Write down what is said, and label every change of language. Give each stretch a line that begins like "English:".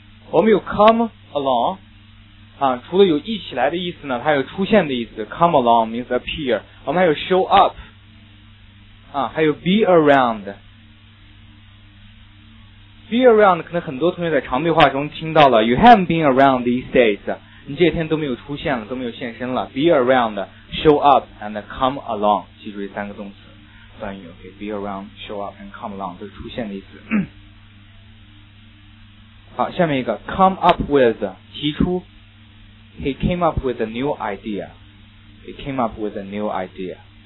Chinese: 我们有 come along， 除了有一起来的意思呢，它有出现的意思。
English: come along means appear。
Chinese: 我们还有
English: show up， 还有 be around。
Chinese: be around 可能很多同学在常对话中听到了 ，
English: you haven't been around these days，
Chinese: 你这天都没有出现了，都没有现身了。
English: be around， show up and come along，
Chinese: 记住这三个动词。短语 OK， be around， show up and come along 都是出现的意思。好，下面一个
English: come up with， 提出， he came up with a new idea， he came up with a new idea。